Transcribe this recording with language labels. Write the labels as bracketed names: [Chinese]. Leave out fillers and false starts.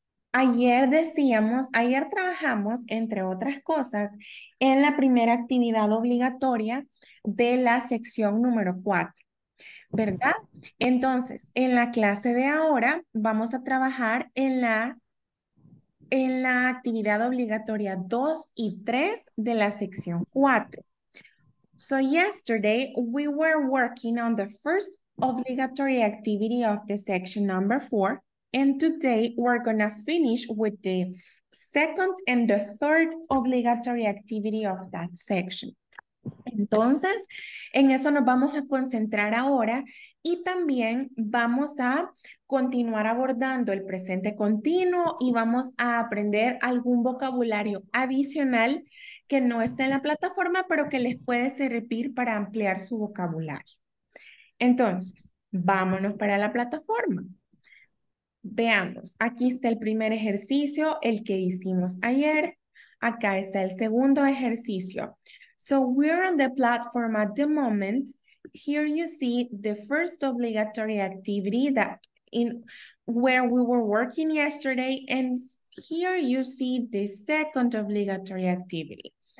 [Spanish] Ayer trabajamos, entre otras cosas, en la primera actividad obligatoria de la sección número 4, ¿verdad? Entonces, en la clase de ahora vamos a trabajar en la actividad obligatoria 2 y 3 de la sección 4. [English] So yesterday we were working on the first obligatory activity of the section number 4, and today we're gonna finish with the second and the third obligatory activity of that section. [Spanish] Entonces, en eso nos vamos a concentrar ahora y también vamos a continuar abordando el presente continuo y vamos a aprender algún vocabulario adicional que no está en la plataforma, pero que les puede servir para ampliar su vocabulario. Entonces, vámonos para la plataforma. Veamos, aquí está el primer ejercicio, el que hicimos ayer. Acá está el segundo ejercicio. [English] So we're on the platform at the moment. Here you see the first obligatory activity that in where we were working yesterday, and here you see the second obligatory activity.